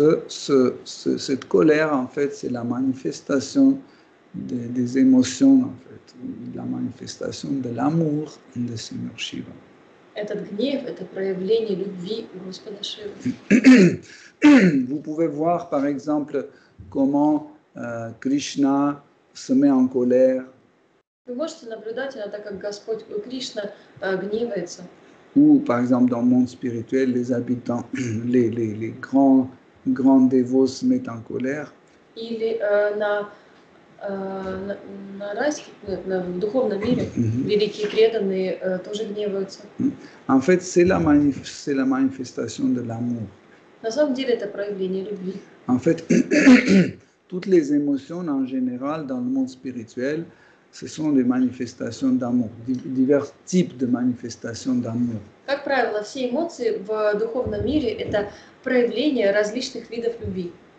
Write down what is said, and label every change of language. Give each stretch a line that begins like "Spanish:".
French: Cette colère, en fait, c'est la manifestation des émotions, en fait, la manifestation de l'amour de Seigneur Shiva.
Russian: Этот гнев – это проявление любви Господа Шивы.
French: Vous pouvez voir, par exemple, comment Krishna se met en colère.
Russian: Вы можете наблюдать, иногда, как Господь Кришна гневается.
French: Ou, par exemple, dans le monde spirituel, les habitants, les grands dévots se mettent en colère.
Russian: Или на райских, в духовном мире, великие преданные тоже гневаются.
French: En fait, c'est la manifestation de l'amour.
Russian: На самом деле, это проявление любви.
French: En fait, toutes les émotions, en général, dans le monde spirituel, ce sont des manifestations d'amour, divers types de manifestations d'amour.
Russian: Как правило, все эмоции в духовном мире – это проявление различных видов любви.